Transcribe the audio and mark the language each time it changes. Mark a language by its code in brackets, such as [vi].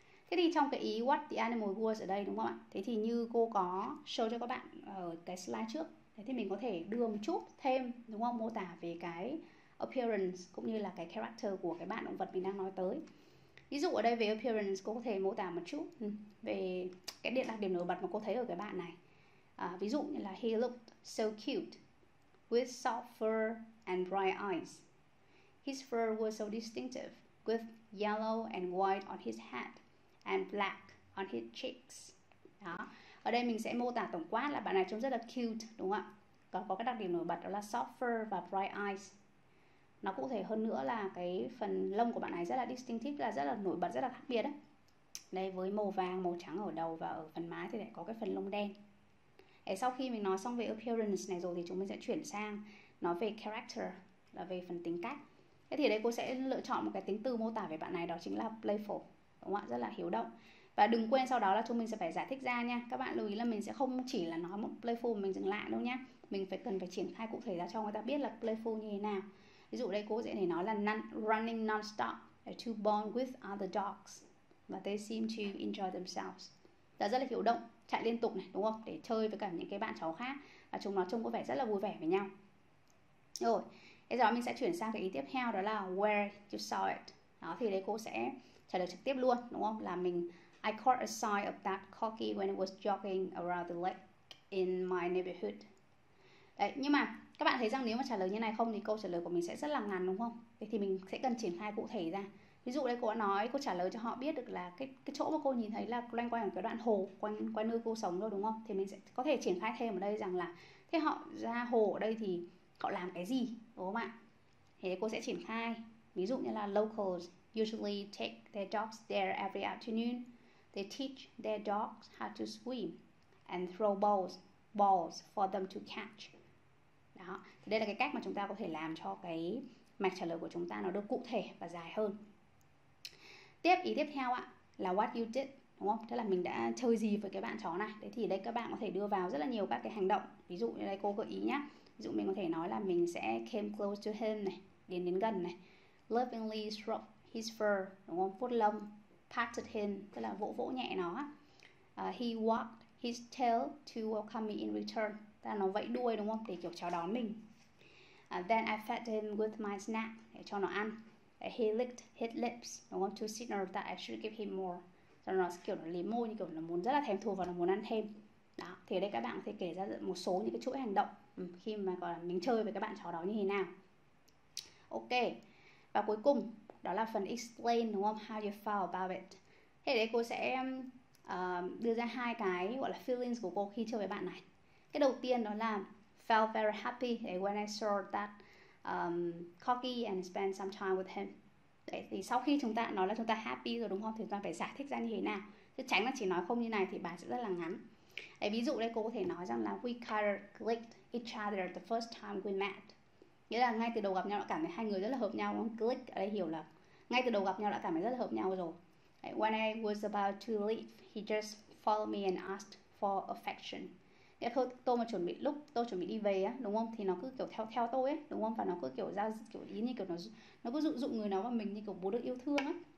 [vi] Thế thì trong cái ý what the animal was ở đây, đúng không ạ? Thế thì như cô có show cho các bạn ở cái slide trước, thế thì mình có thể đưa một chút thêm, đúng không? Mô tả về cái appearance cũng như là cái character của cái bạn động vật mình đang nói tới. Ví dụ ở đây về appearance, cô có thể mô tả một chút về cái đặc điểm nổi bật mà cô thấy ở cái bạn này. [en] Ví dụ như là he looked so cute with soft fur and bright eyes. His fur was so distinctive, with yellow and white on his head and black on his cheeks. [vi] Đó. Ở đây mình sẽ mô tả tổng quát là bạn này trông rất là cute, đúng không ạ? Có cái đặc điểm nổi bật đó là soft fur và bright eyes. Nó cụ thể hơn nữa là cái phần lông của bạn này rất là distinctive, là rất là nổi bật, rất là khác biệt đó. Đây, với màu vàng, màu trắng ở đầu và ở phần má thì lại có cái phần lông đen. Để sau khi mình nói xong về appearance này rồi thì chúng mình sẽ chuyển sang nói về character, là về phần tính cách. Thế thì đây cô sẽ lựa chọn một cái tính từ mô tả về bạn này, đó chính là playful, đúng không ạ? Rất là hiếu động. Và đừng quên sau đó là chúng mình sẽ phải giải thích ra nha. Các bạn lưu ý là mình sẽ không chỉ là nói một playful mình dừng lại đâu nhá. Mình phải cần phải triển khai cụ thể ra cho người ta biết là playful như thế nào. Ví dụ đây cô sẽ thể nói là running non-stop to bond with other dogs, và they seem to enjoy themselves. Đó, rất là hiếu động, chạy liên tục này, đúng không? Để chơi với cả những cái bạn chó khác, và chúng nó trông có vẻ rất là vui vẻ với nhau. Rồi, bây giờ mình sẽ chuyển sang cái ý tiếp theo, đó là where you saw it. Đó, thì đây cô sẽ trả lời trực tiếp luôn, đúng không? Là mình [en] I caught a sight of that corgi when it was jogging around the lake in my neighborhood. [vi] Đấy, nhưng mà các bạn thấy rằng nếu mà trả lời như này không thì câu trả lời của mình sẽ rất là ngắn đúng không? Vậy thì mình sẽ cần triển khai cụ thể ra. Ví dụ đây cô đã nói, cô trả lời cho họ biết được là cái chỗ mà cô nhìn thấy là loanh quanh ở cái đoạn hồ quanh quanh nơi cô sống rồi đúng không? Thì mình sẽ có thể triển khai thêm ở đây rằng là thế họ ra hồ ở đây thì họ làm cái gì đúng không ạ? Thế cô sẽ triển khai. [en] Ví dụ như là locals usually take their dogs there every afternoon. They teach their dogs how to swim and throw balls for them to catch. [vi] Đó, thì đây là cái cách mà chúng ta có thể làm cho cái mạch trả lời của chúng ta nó được cụ thể và dài hơn. Tiếp ý tiếp theo ạ là what you did, đúng không? Tức là mình đã chơi gì với cái bạn chó này. Đấy thì đây các bạn có thể đưa vào rất là nhiều các cái hành động. Ví dụ như đây cô gợi ý nhá. Ví dụ mình có thể nói là mình sẽ came close to him này, đến gần này. Lovingly stroked his fur, đúng không? Vuốt lông. Patted him, tức là vỗ vỗ nhẹ nó. [en] He walked his tail to welcome me in return. [vi] Tức là nó vẫy đuôi đúng không? Để kiểu chào đón mình. [en] Then I fed him with my snack, để cho nó ăn. He licked his lips, đúng không? To signal that I should give him more. [vi] Rồi nó kiểu nó liếm môi, như kiểu nó muốn rất là thèm thuồng và nó muốn ăn thêm. Đó, thì ở đây các bạn có thể kể ra một số những cái chuỗi hành động khi mà gọi là mình chơi với các bạn chó đó như thế nào. Ok, và cuối cùng đó là phần explain đúng không? How you felt about it. Thế đấy cô sẽ đưa ra hai cái gọi là feelings của cô khi chơi với bạn này. [en] Cái đầu tiên đó là felt very happy when I saw that cocky and spend some time with him. [vi] Đấy, thì sau khi chúng ta nói là chúng ta happy rồi đúng không? Thì chúng ta phải giải thích ra như thế nào. Chứ tránh là chỉ nói không như này thì bài sẽ rất là ngắn. Đấy, ví dụ đây cô có thể nói rằng là we kind of clicked each other the first time we met. Nghĩa là ngay từ đầu gặp nhau đã cảm thấy hai người rất là hợp nhau. Click ở đây hiểu là ngay từ đầu gặp nhau đã cảm thấy rất là hợp nhau rồi. [en] Đấy, when I was about to leave, he just followed me and asked for affection. [vi] Nghĩa là tôi mà chuẩn bị lúc tôi chuẩn bị đi về á, đúng không? Thì nó cứ kiểu theo theo tôi ấy, đúng không? Và nó cứ kiểu ra kiểu ý như kiểu nó cứ dụ dụ người nào vào mình như kiểu muốn được yêu thương á.